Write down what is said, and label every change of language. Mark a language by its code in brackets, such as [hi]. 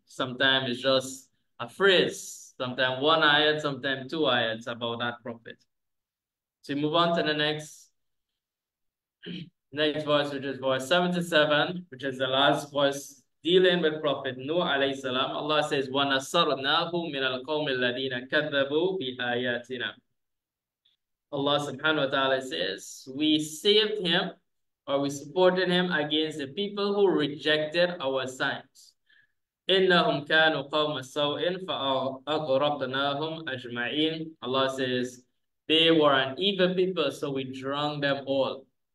[en] Sometimes it's just a phrase, sometimes one ayat, sometimes two ayats about that prophet. So move on to the next verse, which is verse 77, which is the last verse dealing with Prophet Nuh alayhi salam. Allah says, [ar] وَنَصَرْنَاهُ مِنَ الْقَوْمِ الَّذِينَ كَذَّبُوا بِآيَاتِنَا. [en] Allah subhanahu wa ta'ala says, we saved him, or we supported him against the people who rejected our signs. [ar] إِنَّهُمْ كَانُوا قَوْمَ سَوْءٍ فَأَغْرَقْنَاهُمْ أَجْمَعِينَ. [en] Allah says, they were an evil people, so we drowned them all.